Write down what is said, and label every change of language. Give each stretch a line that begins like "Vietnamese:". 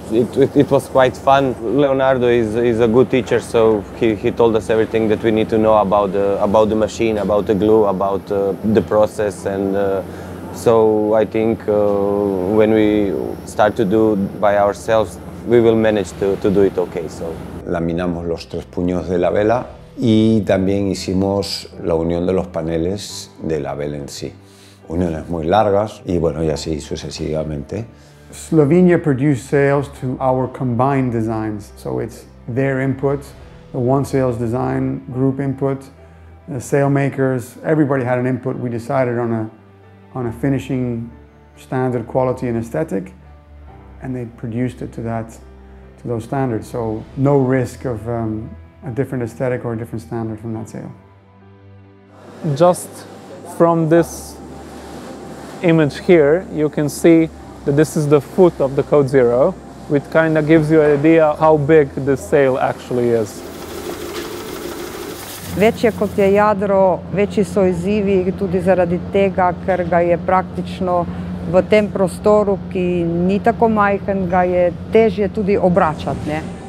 English: It was quite fun. Leonardo is a good teacher, so he told us everything that we need to know about the machine, about the glue, about the process. And so I think when we start to do by ourselves, we will manage to do it okay. So
Spanish: laminamos los tres puños de la vela y también hicimos la unión de los paneles de la vela en sí. Uniones muy largas y bueno, y así sucesivamente.
English: Slovenia produced sails to our combined designs. So it's their input, the One Sails design group input, the sailmakers, everybody had an input. We decided on a finishing standard quality and aesthetic, and they produced it to those standards. So no risk of a different aesthetic or a different standard from that sail. Just from this image here, you can see that this is the foot of the Code Zero, which kind of gives you an idea how big this sail actually is.
Slovenian: Večje kot je jadro, večji so izzivi tudi zaradi tega, ker ga je praktično v tem prostoru, ki ni tako majhen, ga je težje tudi obračati, ne.